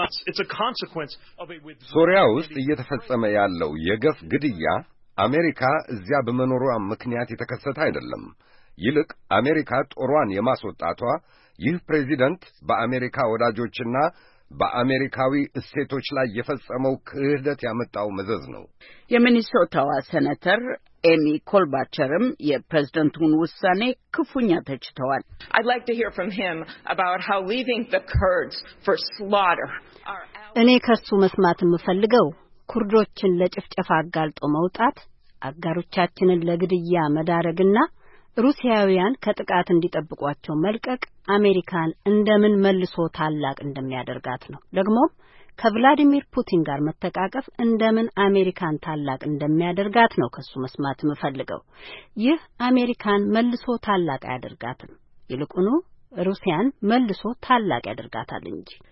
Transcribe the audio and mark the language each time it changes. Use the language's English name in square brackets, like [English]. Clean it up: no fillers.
[Amharic] ሶሪያ ውስጥ እየተፈጸመ ያለው የገፍ ግድያ አሜሪካ እዚያ በመኖሯ ምክንያት የተከሰተ አይደለም። ይልቅ አሜሪካ ጦሯን የማስወጣቷ ይህ ፕሬዝዳንት በአሜሪካ ወዳጆችና በአሜሪካዊ እስቴቶች ላይ የፈጸመው ክህደት ያመጣው መዘዝ ነው። የሚኒሶታዋ ሴናተር ኤሚ ኮልባቸርም የፕሬዝዳንቱን ውሳኔ ክፉኛ ተችተዋል። [English] I'd like to hear from him about how leaving the Kurds for slaughter are [Amharic] እኔ ከሱ መስማት የምፈልገው ኩርዶችን ለጭፍጨፋ አጋልጦ መውጣት፣ አጋሮቻችንን ለግድያ መዳረግና ሩሲያውያን ከጥቃት እንዲጠብቋቸው መልቀቅ አሜሪካን እንደምን መልሶ ታላቅ እንደሚያደርጋት ነው። ደግሞ ከቭላዲሚር ፑቲን ጋር መተቃቀፍ እንደምን አሜሪካን ታላቅ እንደሚያደርጋት ነው ከሱ መስማት የምፈልገው። ይህ አሜሪካን መልሶ ታላቅ ያደርጋታል፣ ይልቁኑ ሩሲያን መልሶ ታላቅ ያደርጋታል እንጂ።